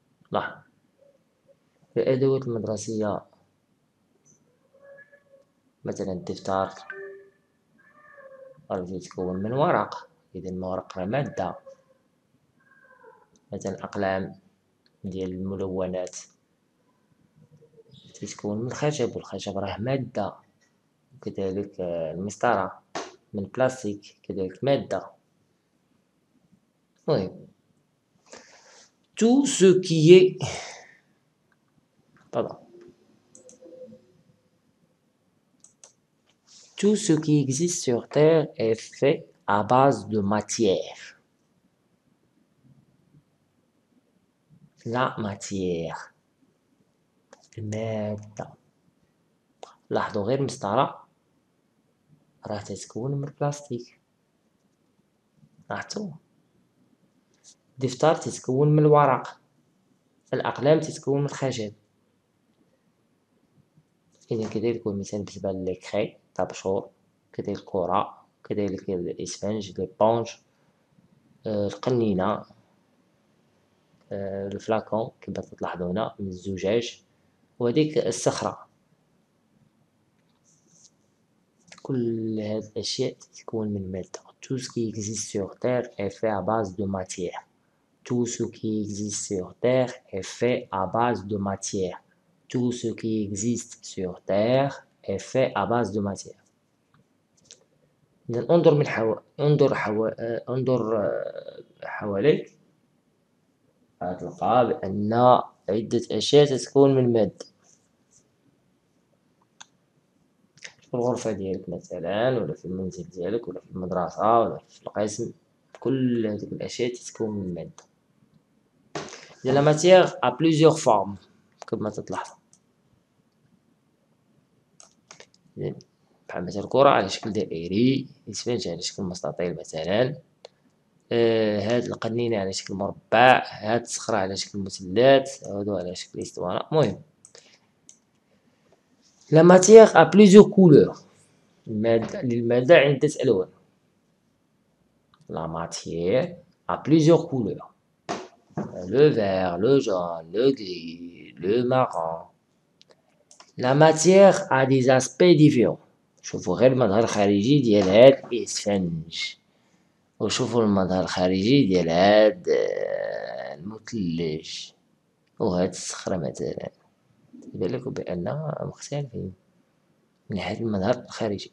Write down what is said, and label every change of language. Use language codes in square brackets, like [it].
[ar] لاحظ الأدوات المدرسية، مثلا الدفتر الذي يتكون من ورق، إذا الورق راه مادة. مثلا الأقلام ديال الملونات تتكون من الخشب، والخشب راه مادة. كذلك المسطرة من بلاستيك، كذلك مادة. المهم تو سو كيي، طبعا [fr] tout ce qui existe sur Terre est fait à base de matière. La matière. المادة. [ar] لاحظوا غير مسطرة راح تتكون من البلاستيك، لاحظتوا؟ الدفتر تتكون من الورق، الأقلام تتكون من الخشب. إذا كذلك مثلا بالنسبة للكري طابشور، كذلك الكرة، كذلك الإسفنج، البونج، القنينة، الفلاكون كما تلاحظون هنا من الزجاج، وهذيك الصخرة. كل هذه الأشياء تكون من مادة. [fr] Tout ce qui existe sur Terre est fait à base de matière. Tout ce qui existe sur Terre est fait à base de matière. Tout ce qui existe sur Terre est fait à base de matière. [ar] انظر من حو... انظر حو... انظر حواليك، هتلقى بأن عدة أشياء تتكون من مادة. في الغرفة ديالك مثلا، ولا في المنزل ديالك، ولا في المدرسة، ولا في القسم، كل هذه الأشياء تتكون من مادة. [fr] De la matière a plusieurs formes [ar] كما تلاحظ، بحال مثلا الكرة على شكل دائري، الإسفنج على شكل مستطيل مثلا، هاد القنينة على شكل مربع، هاد الصخرة على شكل مثلث، هادو على شكل استوانة. المهم [fr] la matière a plusieurs couleurs، [ar] للمادة عدة ألوان. [fr] la matière a plusieurs couleurs، le vert، le jaune، le gris، le marron. la matière a des aspects différents، [ar] شوفوا غير المظهر الخارجي ديال هاد الاسفنج، وشوفوا المظهر الخارجي ديال هاد المثلج، وهاد الصخرة مثلا. يبان لكم بأن مختلفين من ناحية المظهر الخارجي.